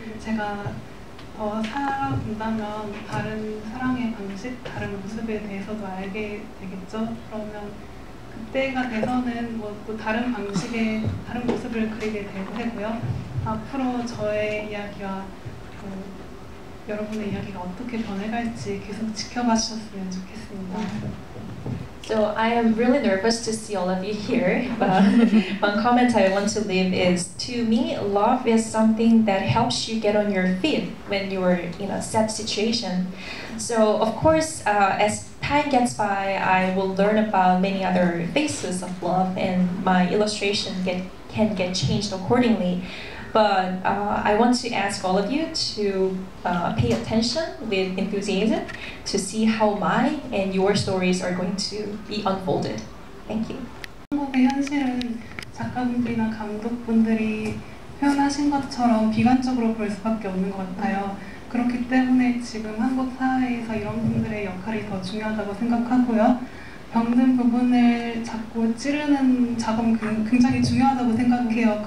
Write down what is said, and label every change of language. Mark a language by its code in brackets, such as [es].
[ko] 제가 더 사랑한다면 다른 사랑의 방식, 다른 모습에 대해서도 알게 되겠죠. 그러면 그때가 돼서는 뭐 또 다른 방식의 다른 모습을 그리게 될 테고요. 앞으로 저의 이야기와 그 여러분의 이야기가 어떻게 변해갈지 계속 지켜봐 주셨으면 좋겠습니다. [en] So I am really nervous to see all of you here, but one comment I want to leave is, to me, love is something that helps you get on your feet when you are in a sad situation. So of course, as time gets by, I will learn about many other faces of love and my illustration can get changed accordingly. But I want to ask all of you to pay attention with enthusiasm to see how my and your stories are going to be unfolded. Thank you. [ko] 한국의 현실은 작가분들이나 감독분들이 표현하신 것처럼 비관적으로 볼 수밖에 없는 것 같아요. 그렇기 때문에 지금 한국 사회에서 이런 분들의 역할이 더 중요하다고 생각하고요. 병든 부분을 자꾸 찌르는 작업 굉장히 중요하다고 생각해요.